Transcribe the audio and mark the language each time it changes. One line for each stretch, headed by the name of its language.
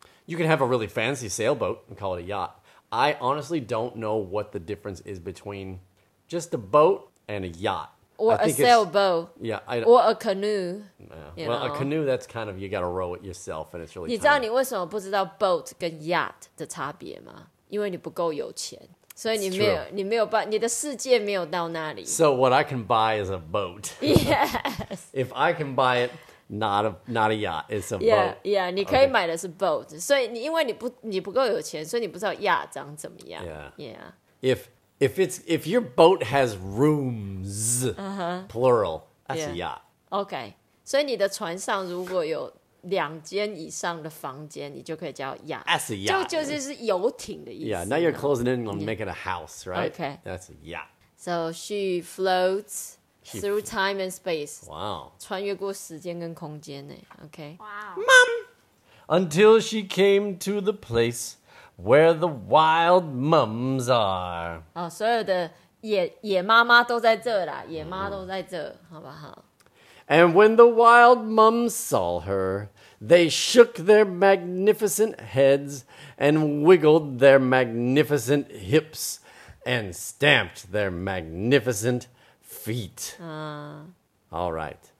English: You can have a really fancy sailboat and call it a yacht. I honestly don't know what the difference is between just a boat and a yacht. Or a sailboat. Yeah. Or a canoe. Yeah. Well, a canoe, that's kind of, you got to row it yourself, and it's really.
Chinese: 你知道你为什么不知道 boat 跟 yacht 的差别吗？因为你不够有钱。所以你没有，你没有办，你的世界没有到那里。
English: So what I can buy is a boat. Yes. If I can buy it, not a yacht, it's a boat.
Chinese: Yeah, yeah. 你可以买的是 boat. 所以你因为你不够有钱，所以你不知道 yacht 长怎么样。
English: Yeah. Yeah. If your boat has rooms, plural, that's a yacht. Okay.
Chinese: 所以你的船上如果有两间以上的房间，你就可以叫 yacht.
English: That's a yacht.
Chinese: 就是游艇的意思。
English: Yeah, now you're closing in on making a house, right? Okay. That's a yacht. So she floats through time and space. Wow.
Chinese: 穿越过时间跟空间呢。Okay.
English: Wow. Mom! Until she came to the place where the wild mums are.
Chinese: 哦，所有的野妈妈都在这啦，野妈都在这，好不好？
English: And when the wild mums saw her, they shook their magnificent heads and wiggled their magnificent hips and stamped their magnificent feet. All right.